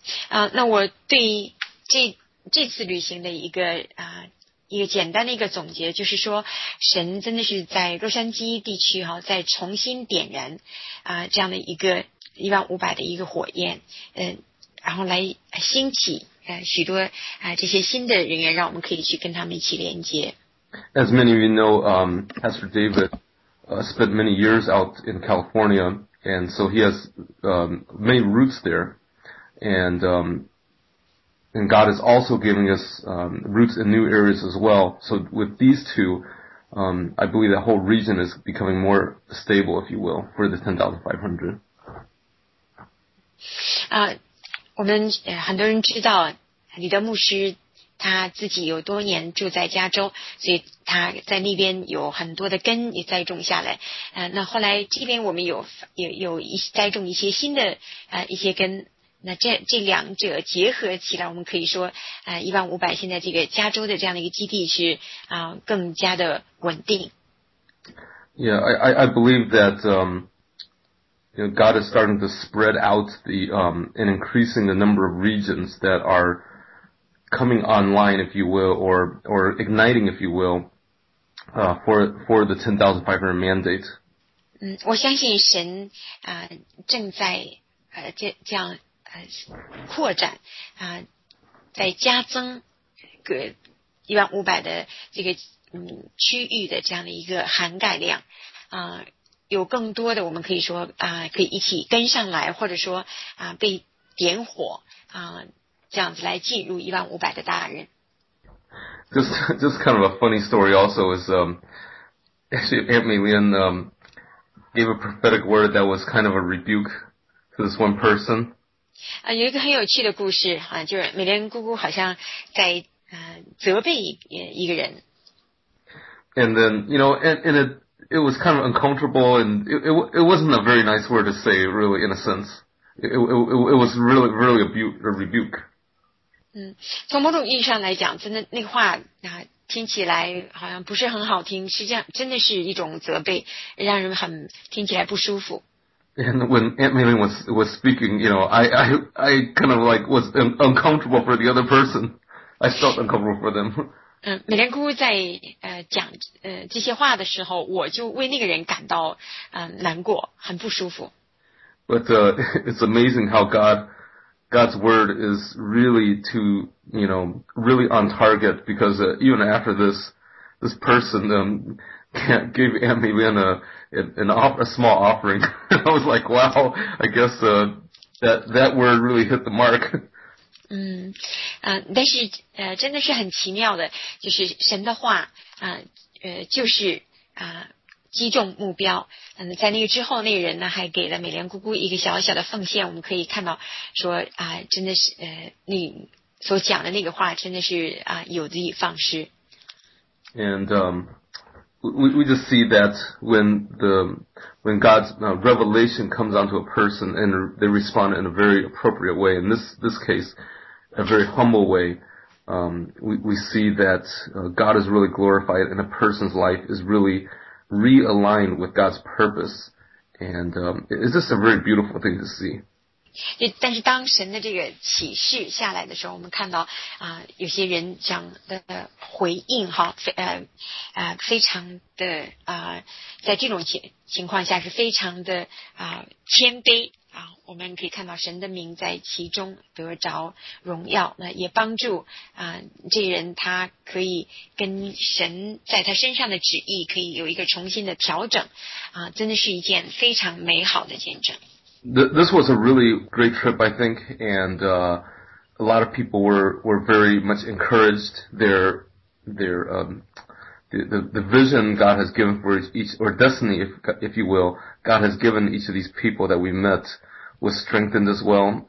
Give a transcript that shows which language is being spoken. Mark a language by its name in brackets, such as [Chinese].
[Chinese] 那我对这次旅行的一个简单的一个总结就是说神真的是在洛杉矶地区在重新点燃这样的一个1500的一个火焰然后来兴起许多这些新的人员让我们可以去跟他们一起连接。 [English] As many of you know, Pastor David,spent many years out in California, and so he has many roots there, and God is also giving us roots in new areas as well. So with these two, I believe that whole region is becoming more stable, if you will, for the 10,500. [Chinese] 我们很多人知道李德牧师他自己有多年住在加州所以他在那边有很多的根也栽种下来那后来这边我们有一栽种一些新的一些根那这两者结合起来我们可以说1500现在这个加州的这样的一个基地是更加的稳定。 [English] Yeah, I believe that, God is starting to spread out the, and increasing the number of regions that are coming online, if you will, or igniting, if you will, for the 10,500 mandate. [Chinese] 我相信神正在这样扩展在加增个1500的这个区域的这样的一个涵盖量有更多的我们可以说可以一起跟上来或者说被点火这样子来进入1500的大人。 [English] Just kind of a funny story also is, actually, Aunt Mei-Lian, gave a prophetic word that was kind of a rebuke to this one person. [Chinese] 有一个很有趣的故事就是美莲姑姑好像在责备一个人。 [English] And then, it was kind of uncomfortable and it wasn't a very nice word to say, really, in a sense. It was really, really a rebuke. [Chinese] 从某种意义上来讲真的那个话听起来好像不是很好听实际上真的是一种责备让人很听起来不舒服。 [English] And when Aunt Mei-Lian was speaking, I kind of like was uncomfortable for the other person. I felt uncomfortable for them. [Chinese] 美莲姑姑在讲这些话的时候我就为那个人感到难过很不舒服。 [English] But it's amazing how God's word is really really on target because even after this person gave Aunt Mei-Lian a small offering. I was like, wow, I guess that word really hit the mark. [Chinese] 但是真的是很奇妙的，就是神的话就是击中目标。在那个之后，那个人呢还给了美莲姑姑一个小小的奉献。我们可以看到说真的是你所讲的那个话真的是有的以放矢。 [English] And we just see that when God's revelation comes onto a person and they respond in a very appropriate way, in this case, a very humble way, we see that God is really glorified and a person's life is really realigned with God's purpose. And it's just a very beautiful thing to see. [Chinese] 但是当神的这个启示下来的时候，我们看到有些人讲的回应哈，非常的在这种情况下是非常的谦卑啊。我们可以看到神的名在其中得着荣耀，那也帮助这人他可以跟神在他身上的旨意可以有一个重新的调整啊，真的是一件非常美好的见证。 [English] This was a really great trip, I think, and a lot of people were very much encouraged. The vision God has given for each, or destiny, if you will, God has given each of these people that we met was strengthened as well.